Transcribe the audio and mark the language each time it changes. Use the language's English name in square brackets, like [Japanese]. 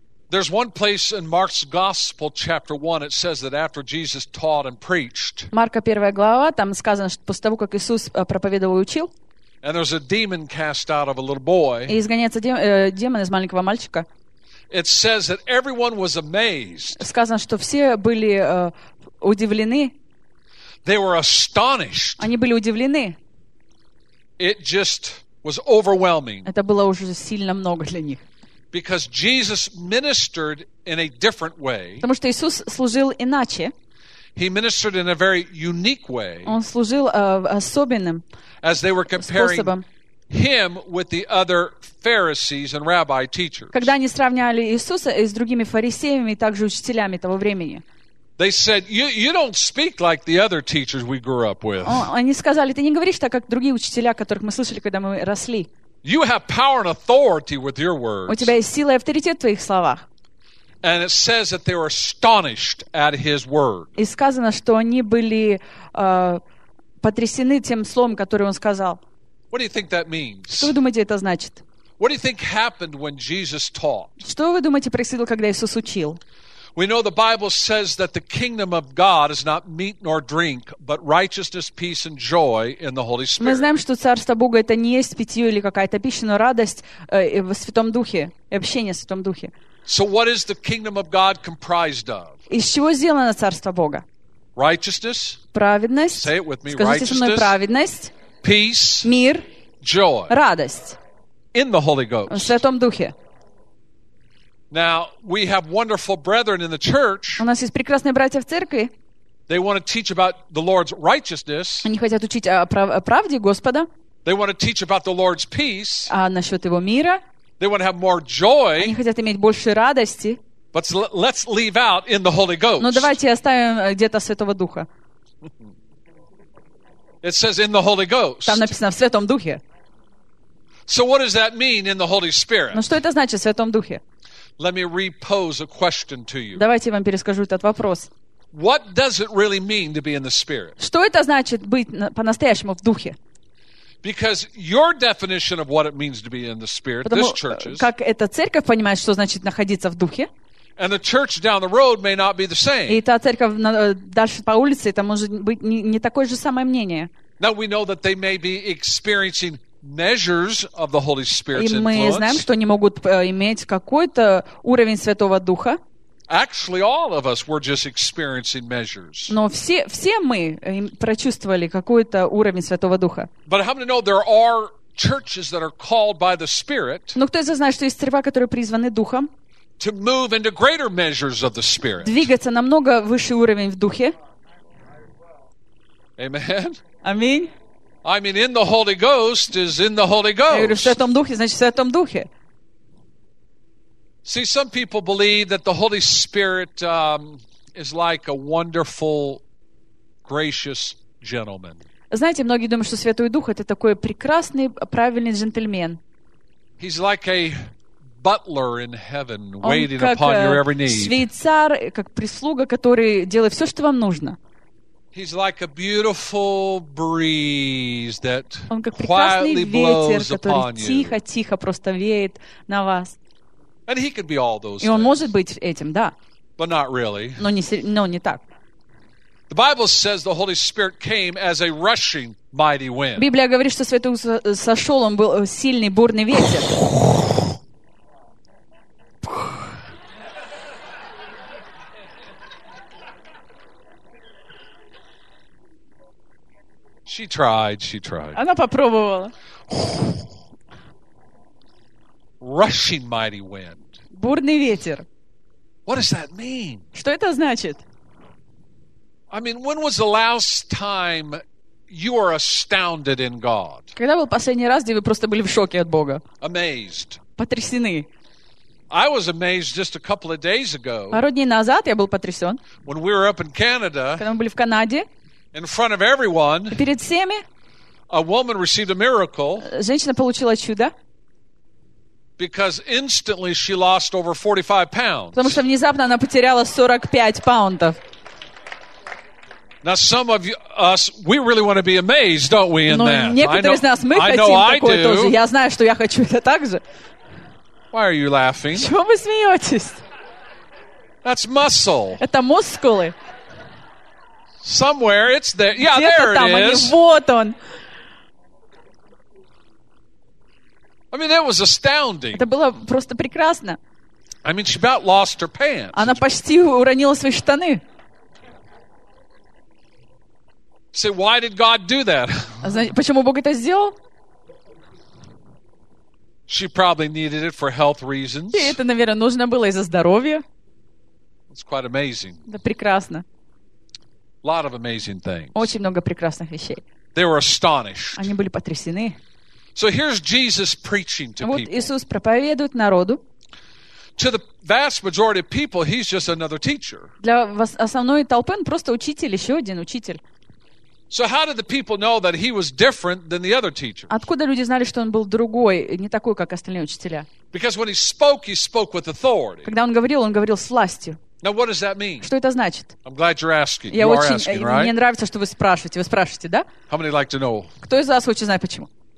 [English] There's one place in Mark's Gospel, chapter 1, it says that after Jesus taught and preached, [Russian] Марка 1 глава, там сказано, что после того, как Иисус проповедовал и учил, [English] and there's a demon cast out of a little boy, [Russian] и изгоняется демон из маленького мальчика, [English] it says that everyone was amazed. [Russian] Сказано, что все были удивлены. [English] They were astonished. [Russian] Они были удивлены. [English] It just was overwhelming. [Russian] Это было уже сильно много для них. [English] Because Jesus ministered in a different way. [Russian] Потому что Иисус служил иначе. [English] He ministered in a very unique way. [Russian] Он служил особенным способом. [English] As they were comparing him with the other Pharisees and rabbi teachers. [Russian] Когда они сравнивали Иисуса с другими фарисеями и также учителями того времени. [English] They said, "You don't speak like the other teachers we grew up with." [Russian] Они сказали, ты не говоришь так, как другие учителя, которых мы слышали, когда мы росли. [English] You have power and authority with your words. [Russian] У тебя есть сила и авторитет в твоих словах. [English] And it says that they were astonished at his word. [Russian] И сказано, что они были потрясены тем словом, которое он сказал. [English] What do you think that means? [Russian] Что вы думаете, это значит? [English] What do you think happened when Jesus taught? [Russian] Что вы думаете, происходило, когда Иисус учил? [English] We know the Bible says that the kingdom of God is not meat nor drink, but righteousness, peace, and joy in the Holy Spirit. [Russian] Мы знаем, что царство Бога это не есть питье или какая-то пища, но радость в Святом Духе, общение в Святом Духе. [English] So what is the kingdom of God comprised of? [Russian] Из чего сделано царство Бога? [English] Righteousness. [Russian] Праведность. [English] Say it with me. [Russian] Скажите со мной праведность. [English] Peace. [Russian] Мир. [English] Joy. [Russian] Радость. [English] In the Holy Ghost. [Russian] В Святом Духе. [English] Now we have wonderful brethren in the church. [Russian] У нас есть прекрасные братья в церкви. [English] They want to teach about the Lord's righteousness. [Russian] Они хотят учить о правде Господа. [English] They want to teach about the Lord's peace. [Russian] А насчет его мира. [English] They want to have more joy. [Russian] Они хотят иметь больше радости. [English] But let's leave out in the Holy Ghost. [Russian] Но давайте оставим где-то Святого Духа. [English] It says in the Holy Ghost. [Russian] Там написано в Святом Духе. [English] So what does that mean in the Holy Spirit? [Russian] Ну что это значит в Святом Духе? [English] Let me repose a question to you. [Russian] Давайте я вам перескажу этот вопрос. [English] What does it really mean to be in the Spirit? [Russian] Что это значит быть по-настоящему в духе? [English] Because your definition of what it means to be in the Spirit, [Russian] Потому, [English] this church is. [Russian] Как эта церковь понимает, что значит находиться в духе? [English] And the church down the road may not be the same. [Russian] И та церковь дальше по улице, это может быть не такое же самое мнение. [English] Now we know that they may be experiencing measures of the Holy Spirit's influence. [Russian] И мы знаем, что они могут иметь какой-то уровень Святого Духа. [English] Actually, all of us were just experiencing measures. [Russian] Но все мы прочувствовали какой-то уровень Святого Духа. [English] But how many know there are churches that are called by the Spirit? [Russian] Но кто из вас знает, что есть церкви, которые призваны Духом? [English] To move into greater measures of the Spirit. [Russian] Двигаться намного выше уровень в Духе. [English] Amen. [Russian] Аминь. [English] I mean, in the Holy Ghost is in the Holy Ghost. [Russian] Я говорю, в Святом Духе, значит, в Святом Духе. [English] See, some people believe that the Holy Spirit is like a wonderful, gracious gentleman. [Russian] Знаете, многие думают, что Святой Дух это такой прекрасный, правильный джентльмен. [English] He's like a butler in heaven, waiting upon your every need. [Russian] Он как швейцар, как прислуга, который делает все, что вам нужно. [English] He's like a beautiful breeze that quietly blows upon you. [Russian] Тихо-тихо просто веет на вас. [English] And he could be all those. [Russian] И он может быть этим, да. [English] But not really. [Russian] Но не так. [English] The Bible says the Holy Spirit came as a rushing mighty wind. [Russian] Библия говорит, что Святой Дух сошел, он был сильный бурный ветер. [English] She tried. [Russian] Она попробовала. [English] Rushing mighty wind. [Russian] Бурный ветер. [English] What does that mean? [Russian] Что это значит? [English] I mean, when was the last time you were astounded in God? [Russian] Когда был последний раз, где вы просто были в шоке от Бога? [English] Amazed. [Russian] Потрясены. [English] I was amazed just a couple of days ago. [Russian] Пару дней назад я был потрясен. [English] When we were up in Canada. [Russian] Когда мы были в Канаде. [English] In front of everyone. [Russian] Перед всеми. [English] A woman received a miracle. [Russian] Женщина получила чудо. [English] Because instantly she lost over 45 pounds. [Russian] Потому что внезапно она потеряла 45 паунтов. [English] Now some of you, us, we really want to be amazed, don't we, in [Russian] Но [English] that? [Russian] Некоторые из нас, мы хотим такое тоже. Я знаю, что я хочу это так же. [English] Why are you laughing? [Russian] Чего вы смеетесь? [English] That's muscle. [Russian] Это мускулы. [English] Somewhere, it's there. Yeah, there [Russian] там, [English] it is. [Russian] Они, вот он. [English] I mean, that was astounding. [Russian] Это было просто прекрасно. [English] I mean, she about lost her pants. [Russian] Она почти уронила свои штаны. [English] Say, why did God do that? [Russian] Почему Бог это сделал? [English] She probably needed it for health reasons. [Russian] И это, наверное, нужно было из-за здоровья. [English] It's quite amazing. [Russian] Да, прекрасно. [English] Lot of amazing things. [Russian] Очень много прекрасных вещей. [English] They were astonished. [Russian] Они были потрясены. [English] So here's Jesus preaching to people. [Russian] Вот Иисус проповедует народу. [English] To the vast majority of people, he's just another teacher. [Russian] Для основной толпы он просто учитель, еще один учитель. [English] So how did the people know that he was different than the other teachers? [Russian] Откуда люди знали, что он был другой, не такой, как остальные учителя? [English] Because when he spoke with authority. [Russian] Когда он говорил с властью. [English] Now what does that mean? [Russian] Что это значит? [English] I'm glad you're asking. You are asking, right? [Russian] Мне нравится, что вы спрашиваете. Вы спрашиваете, да? [English] How many like to know? [Russian] Кто из вас хочет знать почему?